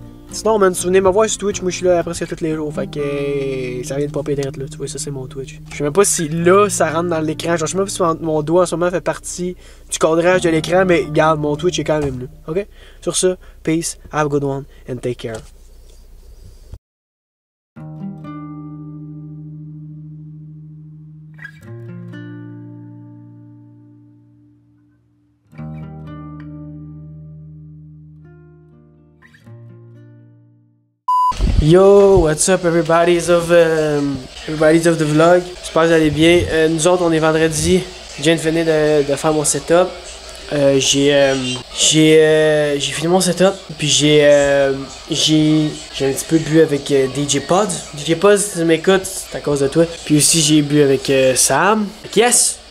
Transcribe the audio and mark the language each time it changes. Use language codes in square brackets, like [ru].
[fr] Sinon, man, souvenez ma voix sur Twitch, moi je suis là presque tous les jours. Fait que ça vient de popper direct là. Tu vois, ça c'est mon Twitch. Je sais même pas si là ça rentre dans l'écran. Genre, je sais même pas si mon doigt en ce moment fait partie du cadrage de l'écran. Mais regarde, mon Twitch est quand même là. Ok? [en] Sur ce, peace, have a good one, and take care. Yo, what's up everybody's of the vlog. [fr] J'espère que vous allez bien. Nous autres, on est vendredi. Je viens de finir de faire mon setup. J'ai fini mon setup. Puis j'ai un petit peu bu avec DJ Pods. DJ Pods, si tu m'écoutes, c'est à cause de toi. Puis aussi, j'ai bu avec Sam. Fait, yes!